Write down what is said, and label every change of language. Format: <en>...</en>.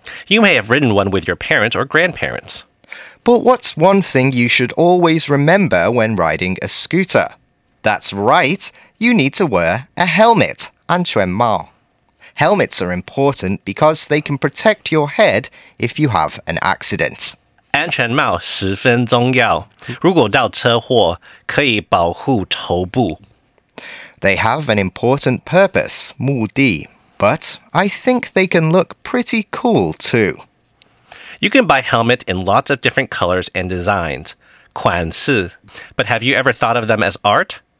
<en>You may have ridden one with your parents or grandparents. But what's one thing you should always remember when riding a scooter? That's right, you need to wear a helmet, 安全帽. Helmets are important because they can protect your head if you have an accident.</en> <zh>安全帽十分重要,如果遇到车祸,可以保护头部.</zh> <en>They have an important purpose, 目的, but I think they can look pretty cool too. You can buy helmets in lots of different colors and designs, 款式, but have you ever thought of them as art?</en>